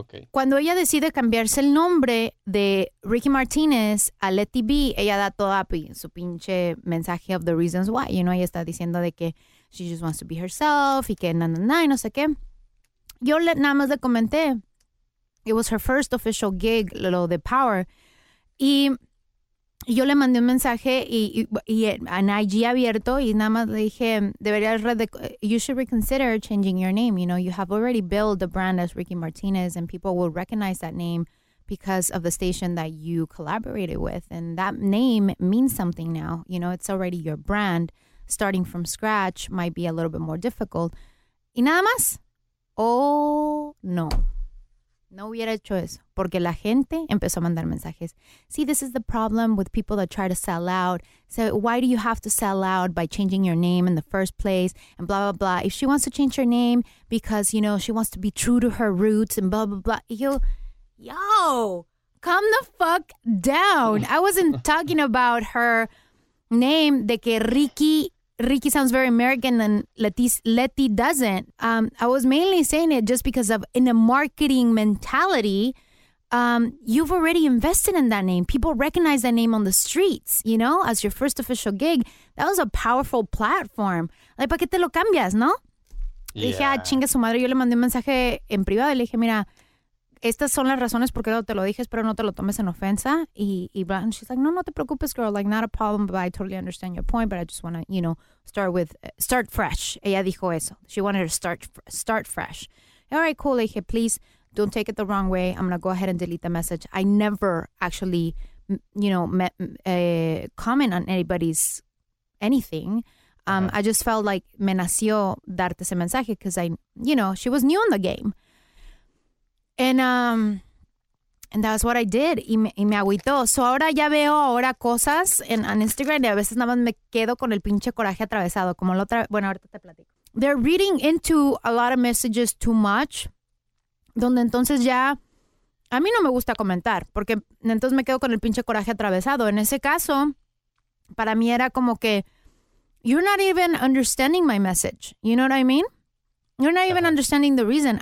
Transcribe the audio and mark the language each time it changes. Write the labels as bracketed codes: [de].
[es] Cuando ella decide cambiarse el nombre de Ricky Martinez a Leti B, ella da toda su pinche mensaje [en] of the reasons why, you know, [es] ella está diciendo de que [en] she just wants to be herself [es] y que y no sé qué. Yo nada más le comenté, [en] it was her first official gig, [es] lo de Power, y yo le mandé un mensaje y en IG abierto y nada más le dije, deberías [en] you should reconsider changing your name. You know, you have already built a brand as Ricky Martinez and people will recognize that name because of the station that you collaborated with. And that name means something now. You know, it's already your brand. Starting from scratch might be a little bit more difficult. [es] Y nada más. Oh, no. No hubiera hecho eso, porque la gente empezó a mandar mensajes. [en] See, this is the problem with people that try to sell out. So why do you have to sell out by changing your name in the first place? And blah, blah, blah. If she wants to change her name because, you know, she wants to be true to her roots and blah, blah, blah. Yo, calm the fuck down. I wasn't talking about her name, de que Ricky sounds very American and Leti doesn't. I was mainly saying it just because of in a marketing mentality, you've already invested in that name. People recognize that name on the streets, you know, as your first official gig. That was a powerful platform. [es] Like, ¿para qué te lo cambias, no? [en] Yeah. [es] Le dije a chinga su madre, yo le mandé un mensaje en privado y le dije, mira, estas son las razones por qué te lo dije, espero no te lo tomes en ofensa. [en] And she's like, [es] no te preocupes, [en] girl. Like, not a problem, but I totally understand your point, but I just want to, you know, start fresh. [es] Ella dijo eso. [en] She wanted to start fresh. All right, cool. [es] Le dije, [en] please, don't take it the wrong way. I'm going to go ahead and delete the message. I never actually, you know, comment on anybody's anything. I just felt like [es] me nació darte ese mensaje [en] because I, you know, she was new in the game. And that's what I did. [es] Y me agüitó. So ahora ya veo ahora cosas en Instagram y a veces nada más me quedo con el pinche coraje atravesado. Como la otra. Bueno, ahorita te platico. [en] They're reading into a lot of messages too much. [es] Donde entonces ya. A mí no me gusta comentar porque entonces me quedo con el pinche coraje atravesado. En ese caso, para mí era como que. [en] You're not even understanding my message. You know what I mean? You're not even understanding the reason.